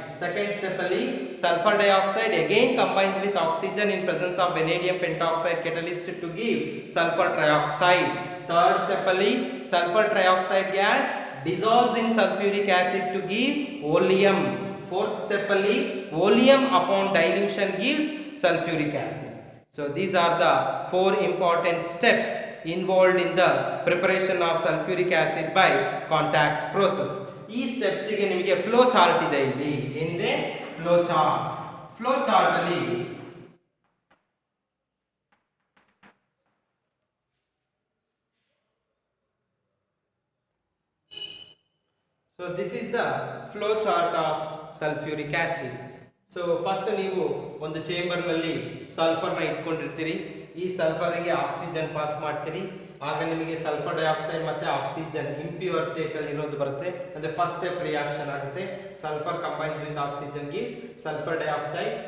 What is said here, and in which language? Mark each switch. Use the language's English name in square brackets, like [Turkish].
[English] Second step ಅಲ್ಲಿ sulphur dioxide again combines with oxygen in presence of vanadium pentoxide catalyst to give sulphur trioxide. Third step ಅಲ್ಲಿ sulphur trioxide gas dissolves in sulphuric acid to give oleum. Fourth step ಅಲ್ಲಿ oleum upon dilution gives sulphuric acid. So these are the 4 important steps involved in the preparation of sulfuric acid by contact process. [Kannada] ee steps ige nimge flow chart ide illi. Enide flow chart? [English] Flow chart alli so this is the flow chart of sulfuric acid. [Kannada] So first ನೀವು ಒಂದು ಚೇಂಬರ್ನಲ್ಲಿ ಸಲ್ಫರ್ನ ಇಟ್ಕೊಂಡಿರ್ತೀರಿ. ಈ ಸಲ್ಫರ್ಗೆ oxygen pass ಮಾಡ್ತೀರಿ, ಆಗ ನಿಮಗೆ sulphur dioxide ಮತ್ತು oxygen impure ಸ್ಟೇಟಲ್ಲಿ ಇರೋದು ಬರುತ್ತೆ. ಅಂದರೆ ಫಸ್ಟ್ ಸ್ಟೆಪ್ ರಿಯಾಕ್ಷನ್ ಆಗುತ್ತೆ. [English] Sulphur combines with oxygen gives sulphur dioxide.